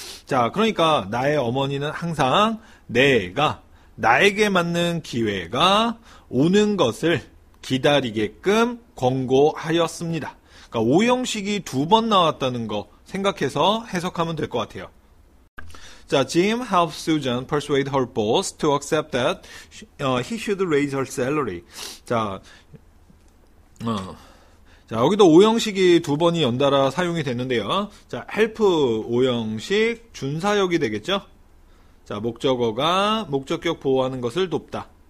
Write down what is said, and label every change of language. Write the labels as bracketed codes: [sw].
[ko] 자, 그러니까 나의 어머니는 항상 내가 나에게 맞는 기회가 오는 것을 기다리게끔 권고하였습니다. 그러니까 오형식이 두 번 나왔다는 거 생각해서 해석하면 될 것 같아요. [en] 자, Jim helped Susan persuade her boss to accept that he should raise her salary. [ko] 자, 여기도 오형식이 두 번이 연달아 사용이 됐는데요. 자, help 오형식, 준사역이 되겠죠? 자, 목적어가 목적격 보호하는 것을 돕다.